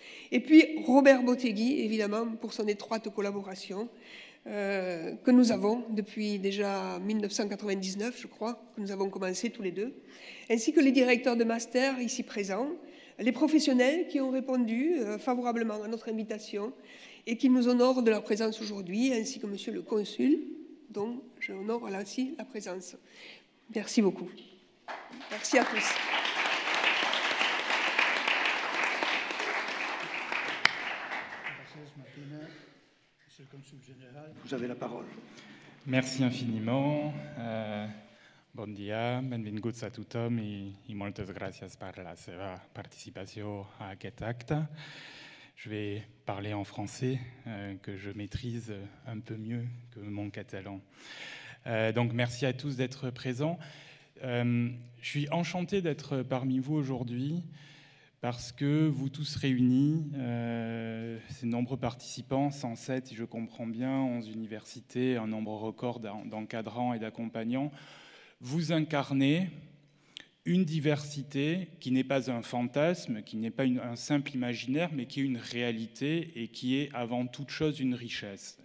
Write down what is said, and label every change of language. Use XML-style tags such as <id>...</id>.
<fr>Et puis Robert Botegui, évidemment, pour son étroite collaboration que nous avons depuis déjà 1999, je crois, que nous avons commencé tous les deux, ainsi que les directeurs de master ici présents, les professionnels qui ont répondu favorablement à notre invitation et qui nous honorent de leur présence aujourd'hui, ainsi que monsieur le consul, dont j'honore ainsi la présence. Merci beaucoup. Merci à tous. Monsieur le consul général, vous avez la parole. Merci infiniment.</fr> <ca>Bon dia, benvinguts a tothom i moltes gràcies per la seva participació a aquest acte.</ca> <fr>Je vais parler en français, que je maîtrise un peu mieux que mon catalan. Donc, merci à tous d'être présents. Je suis enchanté d'être parmi vous aujourd'hui, parce que vous tous réunis, ces nombreux participants, 107, si je comprends bien, 11 universités, un nombre record d'encadrants et d'accompagnants, vous incarnez une diversité qui n'est pas un fantasme, qui n'est pas un simple imaginaire, mais qui est une réalité et qui est avant toute chose une richesse.</fr>